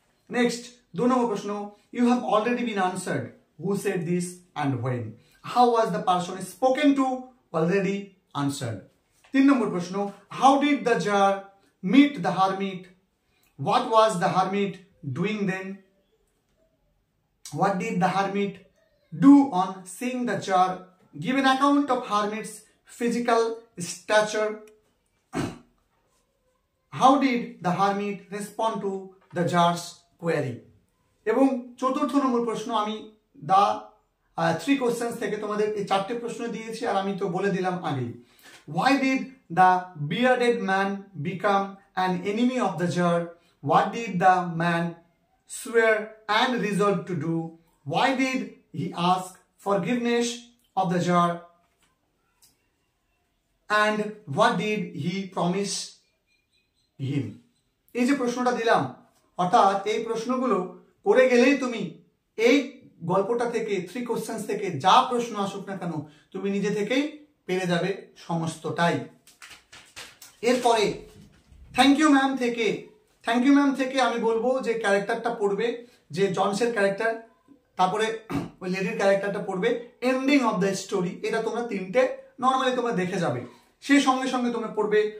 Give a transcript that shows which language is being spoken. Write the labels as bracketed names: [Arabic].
[English] next [Bangla] দু নম্বর প্রশ্ন, [English] You have already been answered, who said this and when, how was the person spoken to, already answered. [Bangla] তিন নম্বর প্রশ্ন, [English] How did the jar meet the hermit, What was the hermit doing then? What did the hermit do on seeing the jar? Give an account of hermit's physical stature. How did the hermit respond to the jar's query? [Bangla] এবং চতুর্থ নম্বর প্রশ্ন, আমি দা three questions থেকে তোমাদের এই চারটে প্রশ্ন দিয়েছি আর আমি তো বলে দিলাম আগে। [English] Why did the bearded man become an enemy of the jar? What did the man swear and resolve to do? Why did he ask forgiveness of the jar? And what did he promise him? [Bangla] এই যে প্রশ্নটা দিলাম, অর্থাৎ এই প্রশ্নগুলো করে গেলেই তুমি এই গল্পটা থেকে, থ্রি কোশ্চেন থেকে যা প্রশ্ন আসুক না কেন, তুমি নিজে থেকেই পেরে যাবে সমস্তটাই। এরপরে থ্যাংক ইউ ম্যাম থেকে, থ্যাংক ইউ ম্যাম থেকে আমি বলবো যে ক্যারেক্টারটা পড়বে, যে জনসের ক্যারেক্টার, তারপরে ওই লেডির ক্যারেক্টারটা পড়বে, এন্ডিং অফ দ্য স্টোরি, এটা তোমরা তিনটে নর্মালি তোমরা দেখে যাবে, সেই সঙ্গে সঙ্গে তোমরা পড়বে।